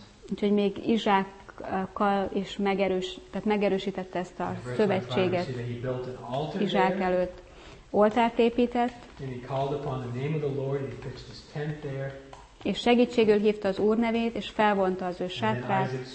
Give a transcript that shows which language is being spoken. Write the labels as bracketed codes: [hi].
[hu] Úgyhogy még Izsákkal is megerősítette ezt a szövetséget Izsák előtt. Oltárt épített. [en] And he called upon the name of the Lord, and he fixed his tent there. [hu] És segítségül hívta az Úr nevét, és felvonta az ő sátrát.